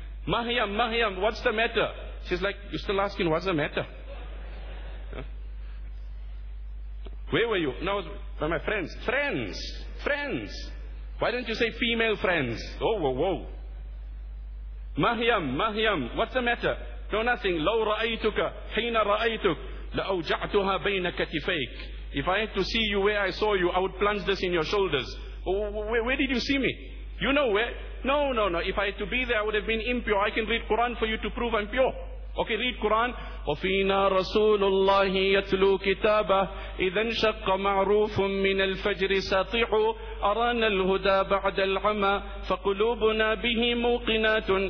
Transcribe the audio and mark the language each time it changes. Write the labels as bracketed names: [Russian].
[English] Mahyam, Mahyam, what's the matter? She's like, you're still asking, what's the matter? Huh? Where were you? No, by my friends. Friends! Friends! Why don't you say female friends? Oh, whoa, whoa. Mahyam, Mahyam, what's the matter? No, nothing. [Arabic] لو رأيتك حين رأيتك لأوجعتها بين كتفيك. [English] If I had to see you where I saw you, I would plunge this in your shoulders. Where did you see me? You know where? No, no, no. If I had to be there, I would have been impure. I can read Quran for you to prove I'm pure. Okay, read Quran. [Arabic] وَفِينَا رَسُولُ اللَّهِ يَتْلُو كِتَابَهُ إِذَا انشَقَّ مَعْرُوفٌ مِّنَ الْفَجْرِ سَطِعُ أَرَانَا الْهُدَى بَعْدَ الْعَمَى فَقُلُوبُنَا بِهِ مُوقِنَاتٌ.